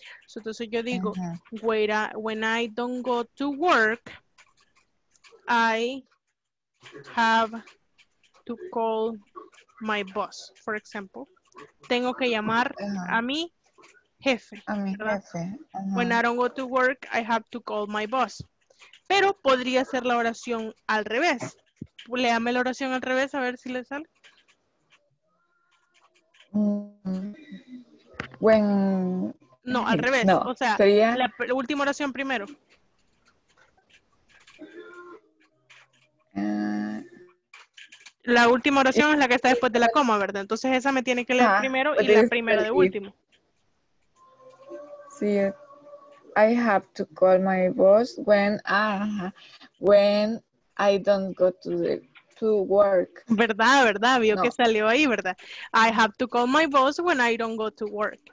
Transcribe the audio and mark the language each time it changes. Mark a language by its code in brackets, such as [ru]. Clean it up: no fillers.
[en] So, [es] entonces yo digo, [en] when I don't go to work, I have to call my boss, for example. [es] Tengo que llamar a mi jefe. A mi ¿verdad? Jefe. Uh-huh. [en] When I don't go to work, I have to call my boss. [es] Pero podría ser la oración al revés. Léame la oración al revés a ver si le sale. [en] When... [es] No, al revés. No, o sea, sería... la última oración primero. Uh, La última oración es la que está después de la coma, ¿verdad? Entonces esa me tiene que leer primero y la primera de último. Sí. [en] I have to call my boss when when I don't go to the to work. [es] ¿Verdad? ¿Verdad? Vio que salió ahí, ¿verdad? [en] I have to call my boss when I don't go to work.